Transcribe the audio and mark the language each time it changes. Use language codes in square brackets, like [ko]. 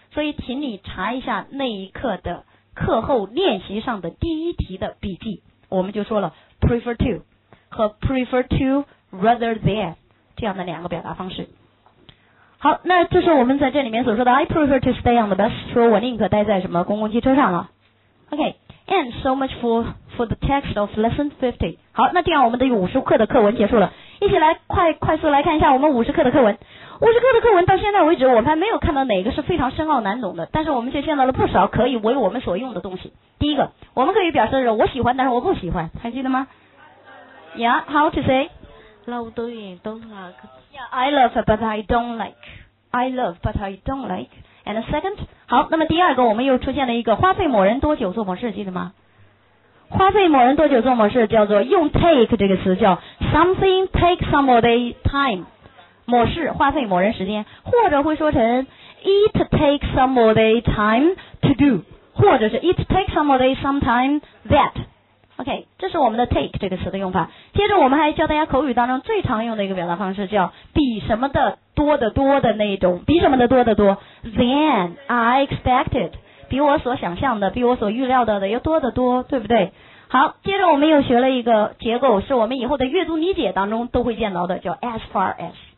[zh] 所以请你查一下那一课的课后练习上的第一题的笔记，我们就说了 prefer to 和 prefer to rather than 这样的两个表达方式。好，那这是我们在这里面所说的 [en] I prefer to stay on the bus， [zh] 说我宁可待在什么公共汽车上了。 [en] OK， and so much for the text of lesson 50。 [zh] 好，那这样我们的50课的课文结束了，一起来快速来看一下我们50课的课文。 50课的课文到现在为止我们还没有看到哪个是非常深奥难懂的，但是我们却见到了不少可以为我们所用的东西。第一个，我们可以表示的是我喜欢但是我不喜欢，还记得吗？ [en] Yeah， how to say love doing don't like。 Yeah, I love but I don't like. I love but I don't like. And second, [zh] 好，那么第二个我们又出现了一个花费某人多久做某事，记得吗？花费某人多久做某事叫做用 take 这个词，叫 [en] something take somebody time， [zh] 某事花费某人时间，或者会说成 [en] it takes somebody time to do， [zh] 或者是 [en] it takes somebody some time that。 [zh] OK， 这是我们的 take 这个词的用法。接着我们还教大家口语当中最常用的一个表达方式，叫比什么的多的多的那种，比什么的多的多。 [en] Than I expected， [zh] 比我所想象的，比我所预料到的要多的多，对不对？好，接着我们又学了一个结构，是我们以后的阅读理解当中都会见到的，叫 as far as。